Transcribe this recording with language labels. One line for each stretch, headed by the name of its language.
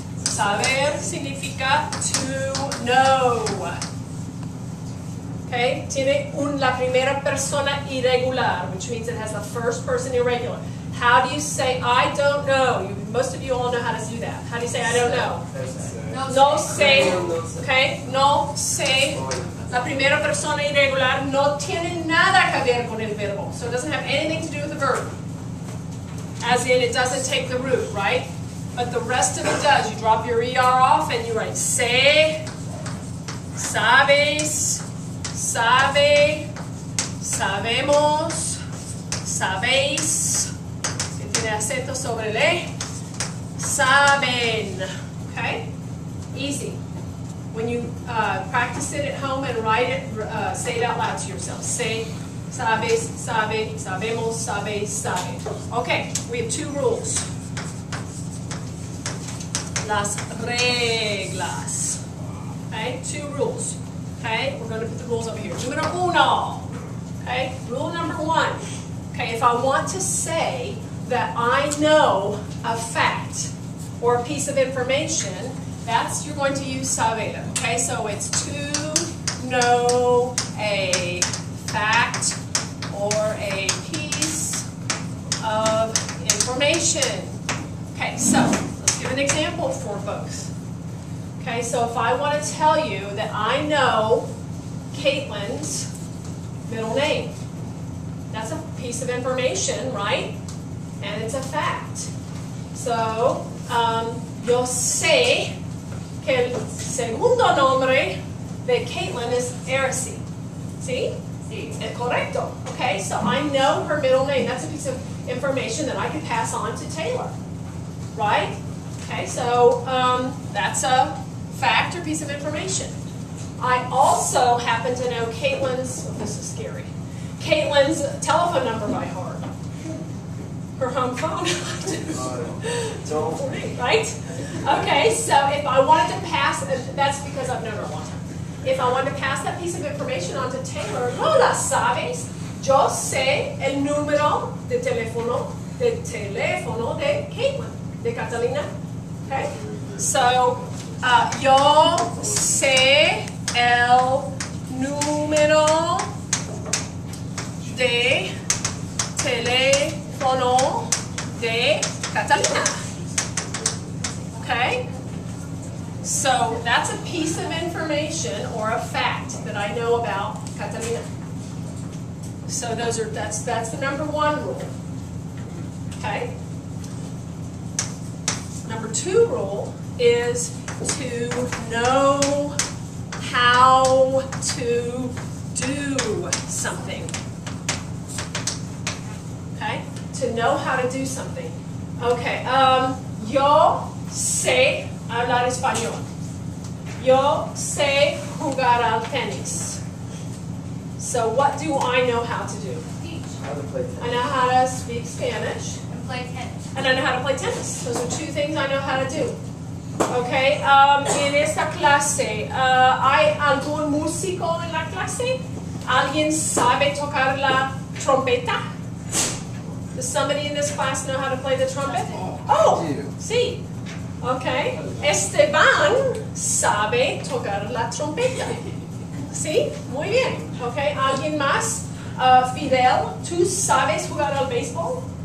Spanish: Saber significa
English: to know.
Spanish: Okay, tiene la primera persona irregular,
English: which means it has the first person irregular. How do you say, I don't know? Most of you all know how to do that. How do you say, I don't know?
Spanish: No sé. Okay, no sé. La primera persona irregular no tiene nada que ver con el verbo.
English: So it doesn't have anything to do with the verb. As in, it doesn't take the root, right? But the rest of it does. You drop your ER off and you write,
Spanish: sé, sabes. Sabe, sabemos, sabéis, si tiene acento sobre el E, saben, okay?
English: Easy. When you practice it at home and write it, say it out loud to yourself.
Spanish: Say, sabes, sabe, sabemos, sabéis, sabe.
English: Okay, we have two rules.
Spanish: Las reglas,
English: okay, two rules. Okay, we're going to put the rules over here.
Spanish: Numero uno.
English: Okay, rule number one. Okay, if I want to say that I know a fact or a piece of information, that's, you're going to use saber. Okay, so it's to know a fact or a piece of information. Okay, so let's give an example for both. Okay, so if I want to tell you that I know Caitlin's middle name, that's a piece of information, right? And it's a fact.
Spanish: So, yo sé que el segundo nombre de Caitlin
English: is Aracy. See?
Spanish: Sí. Es correcto.
English: Okay, so I know her middle name. That's a piece of information that I can pass on to Taylor. Right? Okay, so that's a fact or piece of information. I also happen to know Caitlin's, oh, this is scary, Caitlin's telephone number by heart. Her home phone. right? Okay, so if I wanted to pass, that's because I've known her a long time. If I wanted to pass that piece of information on to Taylor,
Spanish: no la sabes, yo sé el número de teléfono de Caitlin, de Catalina. Okay? So, yo sé el número de teléfono de Catalina.
English: Okay? So that's a piece of information or a fact that I know about Catalina. So those are that's the number one rule. Okay? Number two rule is to know how to do something. Okay? To know how to do something. Okay.
Spanish: Yo sé hablar español. Yo sé jugar al tenis.
English: So what do I know how to do? Teach. How to play tennis. I know how to speak Spanish. And play tennis. And I know how to play tennis. Those are two things I know how to do.
Spanish: Okay, en esta clase, ¿hay algún músico en la clase? ¿Alguien sabe tocar la trompeta?
English: Does somebody in this class know how to play the trumpet?
Spanish: Oh, sí. Okay, Esteban sabe tocar la trompeta. Sí, muy bien. Okay, ¿alguien más? Fidel, ¿tú sabes jugar al béisbol?